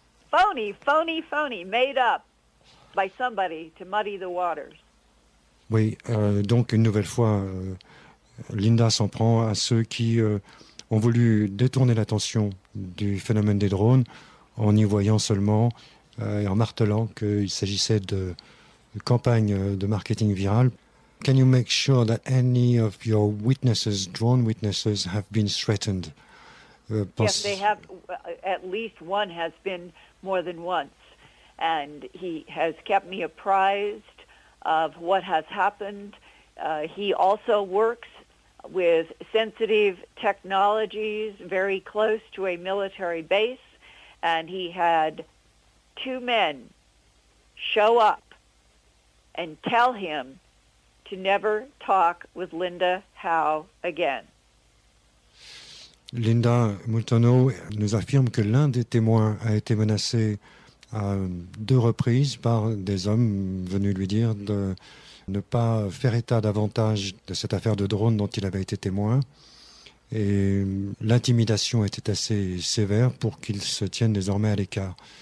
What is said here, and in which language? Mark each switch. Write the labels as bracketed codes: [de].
[en] phony, made up by somebody to muddy the waters. [fr] Oui, donc une nouvelle fois, Linda s'en prend à ceux qui ont voulu détourner l'attention du phénomène des drones en y voyant seulement et en martelant qu'il s'agissait de campagne de marketing viral. [en] Can you make sure that any of your witnesses, drone witnesses, have been threatened? Yes, they have. At least one has been more than once. And he has kept me apprised of what has happened. He also works with sensitive technologies very close to a military base. And he had two men show up and tell him to never talk with Linda Howe again. [fr] Linda Moulton nous affirme que l'un des témoins a été menacé à deux reprises par des hommes venus lui dire de ne pas faire état davantage de cette affaire de drone dont il avait été témoin. Et l'intimidation était assez sévère pour qu'il se tienne désormais à l'écart.